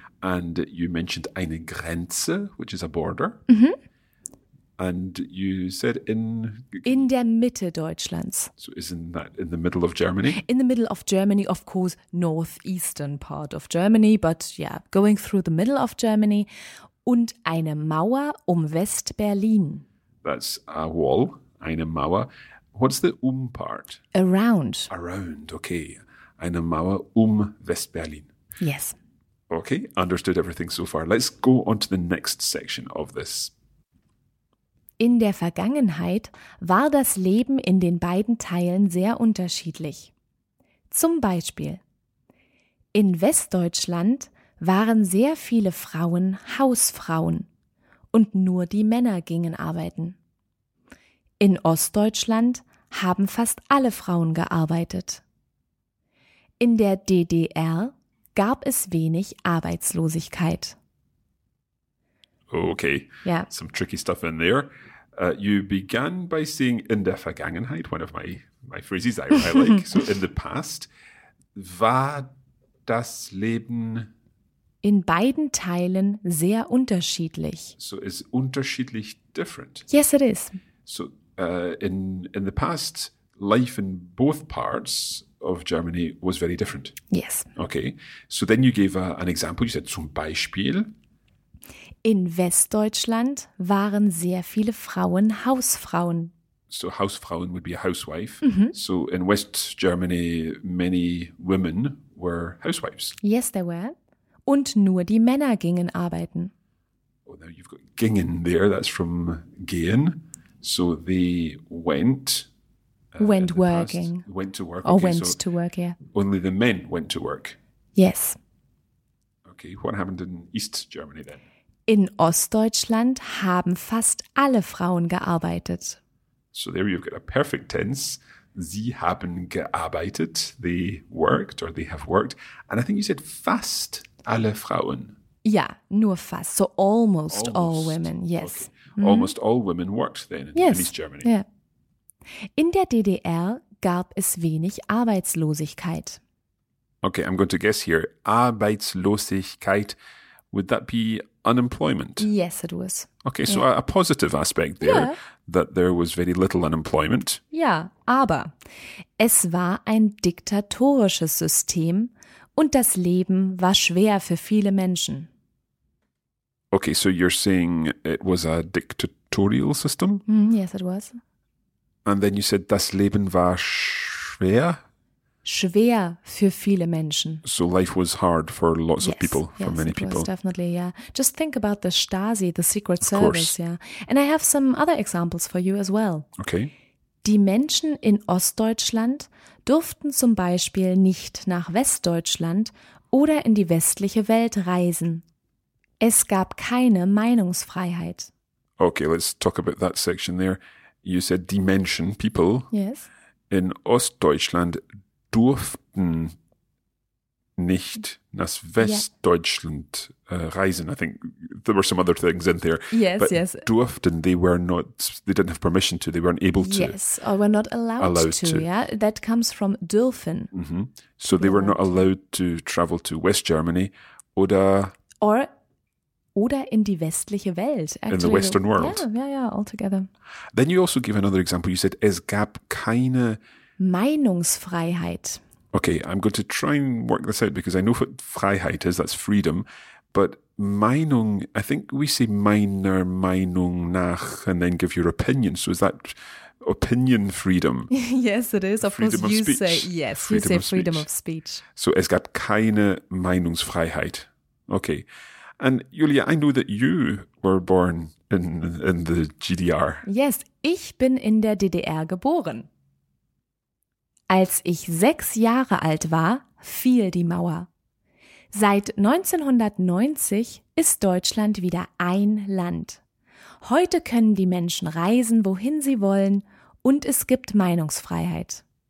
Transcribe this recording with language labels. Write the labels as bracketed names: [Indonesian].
[English] And you mentioned eine Grenze, which is a border. Mm-hmm. And you said in... [German] in der Mitte Deutschlands. [English] So isn't that in the middle of Germany? In the middle of Germany, of course, northeastern part of Germany, but yeah, going through the middle of Germany... [German] und eine Mauer um West-Berlin. [English] That's a wall, eine Mauer. What's the part? Around. Around, okay. [German] Eine Mauer West-Berlin. [English] Yes. Okay, understood everything so far. Let's go on to the next section of this. [German] In der Vergangenheit war das Leben in den beiden Teilen sehr unterschiedlich. Zum Beispiel, in Westdeutschland waren sehr viele Frauen Hausfrauen und nur die Männer gingen arbeiten. In Ostdeutschland haben fast alle Frauen gearbeitet. In der DDR gab es wenig Arbeitslosigkeit. [English] Okay, yeah. Some tricky stuff in there. You began by saying [German] in der Vergangenheit, [English] one of my phrases I like, so in the past, [German] war das Leben... in beiden Teilen sehr unterschiedlich. [English] So is unterschiedlich different? Yes, it is. So in the past, life in both parts of Germany was very different? Yes. Okay. So then you gave an example. You said [German] zum Beispiel. In Westdeutschland waren sehr viele Frauen Hausfrauen. [English] So Hausfrauen would be a housewife. Mm-hmm. So in West Germany, many women were housewives. Yes, they were. [German] Und nur die Männer gingen arbeiten. [English] Oh, now you've got gingen there. That's from gehen. So they went. Went working. Past. Went to work. Or okay, went so to work, yeah. Only the men went to work. Yes. Okay, what happened in East Germany then? [German] In Ostdeutschland haben fast alle Frauen gearbeitet. [English] So there you've got a perfect tense. [German] Sie haben gearbeitet. [English] They worked or they have worked. And I think you said [German] fast alle Frauen. Ja, nur fast. [English] So almost all women, yes. Okay. Mm-hmm. Almost all women worked then in East Germany. Yeah. [German] In der DDR gab es wenig Arbeitslosigkeit. [English] Okay, I'm going to guess here. Arbeitslosigkeit, would that be unemployment? Yes, it was. Okay, so a positive aspect there, that there was very little unemployment. [German] Ja, aber es war ein diktatorisches System und das Leben war schwer für viele Menschen. [English] Okay, so you're saying it was a dictatorial system? Mm, yes, it was. And then you said das Leben war schwer? Schwer für viele Menschen. So life was hard for lots of people, for many people. Yes, definitely, yeah. Just think about the Stasi, the Secret Service, yeah. And I have some other examples for you as well. Okay. [German] Die Menschen in Ostdeutschland durften zum Beispiel nicht nach Westdeutschland oder in die westliche Welt reisen. Es gab keine Meinungsfreiheit. [English] Okay, let's talk about that section there. You said die Menschen, people. Yes. [German] In Ostdeutschland durften nicht nach Westdeutschland reisen. [English] I think there were some other things in there. Yes, but yes. Durften, they were not, they didn't have permission to, they weren't able to. Yes, or were not allowed to. Yeah, that comes from dürfen. Mm-hmm. So they were not allowed to travel to West Germany [German] oder... Oder in die westliche Welt. [English] Actually. In the Western world. Yeah, altogether. Then you also give another example. You said, [German] es gab keine... Meinungsfreiheit. [English] Okay, I'm going to try and work this out because I know what Freiheit is, that's freedom. But Meinung, I think we say [German] meiner Meinung nach [English] and then give your opinion. So is that opinion freedom? Yes, it is. Of freedom course of you speech. Say, yes, freedom you say of freedom speech. Of speech. [German] So es gab keine Meinungsfreiheit. [English] Okay. And Julia, I know that you were born in the GDR. [German] Yes, ich bin in der DDR geboren. Als ich 6 Jahre alt war, fiel die Mauer. Seit 1990 ist Deutschland wieder ein Land. Heute können die Menschen reisen, wohin sie wollen, und es gibt Meinungsfreiheit.